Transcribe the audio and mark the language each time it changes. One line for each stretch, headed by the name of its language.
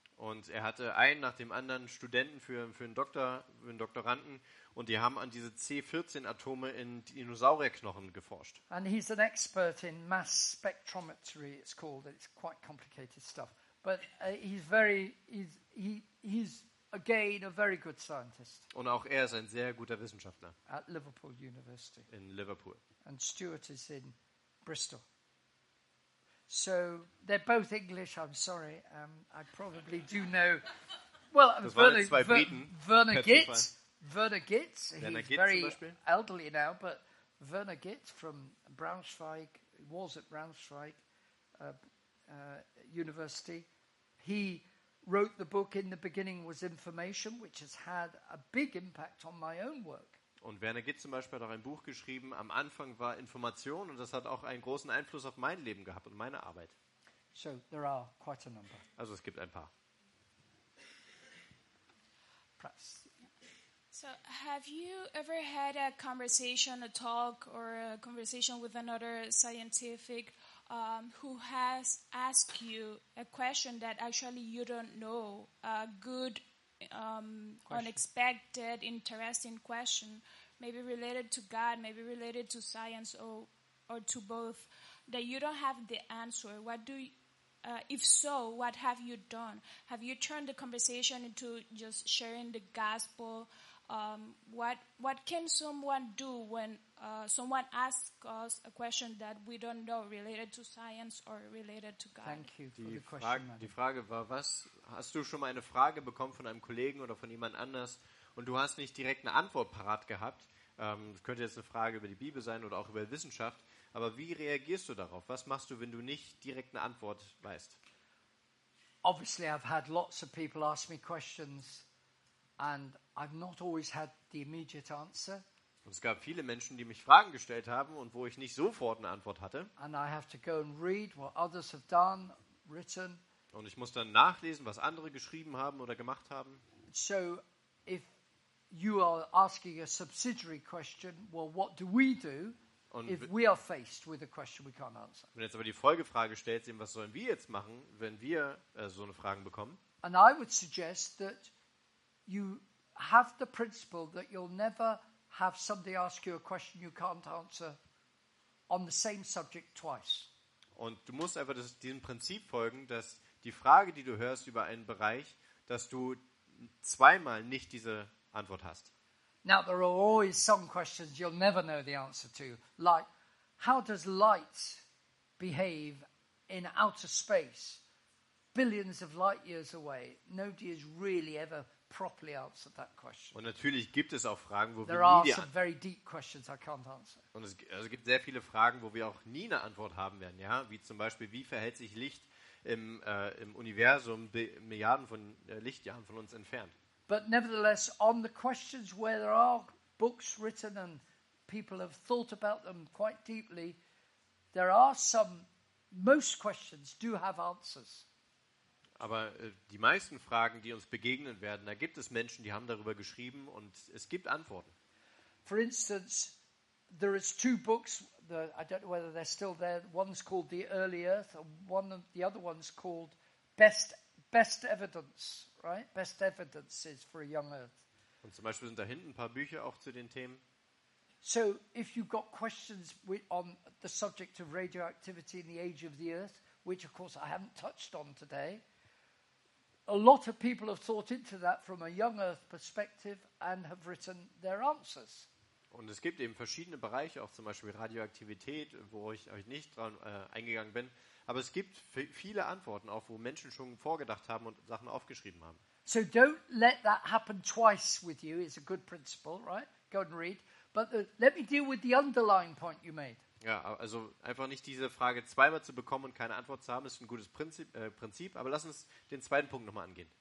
German: Und er hatte einen nach dem anderen Studenten für einen Doktoranden. Und die haben an diese C14-Atome in Dinosaurierknochen geforscht.
English: And he's an expert in mass spectrometry, it's called. It's quite complicated stuff. But he's again a very good scientist.
German: Und auch er ist ein sehr guter Wissenschaftler.
English: At Liverpool University. In Liverpool. And Stuart is in Bristol. So they're both English, I'm sorry. I probably do know. Well, Werner Gitt, he's very elderly now, but Werner Gitt from Braunschweig, was at Braunschweig University. He wrote the book In the Beginning Was Information, which has had a big impact on my own work.
German: Und Werner Gitt zum Beispiel hat auch ein Buch geschrieben, Am Anfang war Information, und das hat auch einen großen Einfluss auf mein Leben gehabt und meine Arbeit.
English: So there are quite a number.
German: Also es gibt ein paar.
English: Press. So, have you ever had a conversation, a talk, or a conversation with another scientific who has asked you a question that actually you don't know, a good, unexpected, interesting question, maybe related to God, maybe related to science, or to both, that you don't have the answer? What do you, if so, what have you done? Have you turned the conversation into just sharing the gospel? What can someone do when someone asks us a question that we don't know, related to science or related to God? Thank you for
German: die
English: the question.
German: Frage, die Frage war, was hast du schon mal eine Frage bekommen von einem Kollegen oder von jemand anders und du hast nicht direkt eine Antwort parat gehabt? Das könnte jetzt eine Frage über die Bibel sein oder auch über Wissenschaft. Aber wie reagierst du darauf? Was machst du, wenn du nicht direkt eine Antwort weißt?
English: Obviously, I've had lots of people ask me questions. And I've not always had the immediate answer.
German: Es gab viele Menschen, die mich Fragen gestellt haben und wo ich nicht sofort eine Antwort hatte.
English: And I have to go and read what others have done, written.
German: Und ich muss dann nachlesen, was andere geschrieben haben oder gemacht haben.
English: So, if you are asking a subsidiary question, well, what do we do if we are faced with a question we can't answer?
German: Wenn jetzt aber die Folgefrage stellt, sehen, was sollen wir jetzt machen, wenn wir so eine Frage bekommen?
English: And I would suggest that you have the principle that you'll never have somebody ask you a question you can't answer on the same subject twice.
German: Und du musst einfach diesem Prinzip folgen, dass die Frage, die du hörst über einen Bereich, dass du zweimal nicht diese Antwort hast.
English: Now there are always some questions you'll never know the answer to, like how does light behave in outer space, billions of light years away? Nobody has really ever properly answer that question.
German: Und natürlich gibt es auch Fragen, wo
English: there
German: wir nie
English: some very deep questions I can't answer.
German: Und es gibt sehr viele Fragen, wo wir auch nie eine Antwort haben werden, ja, wie zum Beispiel, wie verhält sich Licht im Universum Milliarden von Lichtjahren von uns entfernt.
English: But nevertheless, on the questions where there are books written and people have thought about them quite deeply, there are some, most questions do have answers.
German: Aber die meisten Fragen, die uns begegnen werden, da gibt es Menschen, die haben darüber geschrieben und es gibt Antworten.
English: For instance, there is two books, I don't know whether they're still there, one's called The Early Earth, and the other one's called Best Evidence, right? Best Evidences for a Young Earth.
German: Und zum Beispiel sind da hinten ein paar Bücher auch zu den Themen.
English: So, if you've got questions on the subject of radioactivity in the age of the Earth, which of course I haven't touched on today, a lot of people have thought into that from a young earth perspective and have written their answers.
German: Und es gibt eben verschiedene Bereiche, auch zum Beispiel Radioaktivität, wo ich euch nicht dran eingegangen bin, aber es gibt viele Antworten auch, wo Menschen schon vorgedacht haben und Sachen aufgeschrieben haben.
English: So don't let that happen twice with you is a good principle, right? Go and read. But let me deal with the underlying point you made.
German: Ja, also einfach nicht diese Frage zweimal zu bekommen und keine Antwort zu haben, ist ein gutes Prinzip, aber lass uns den zweiten Punkt nochmal angehen.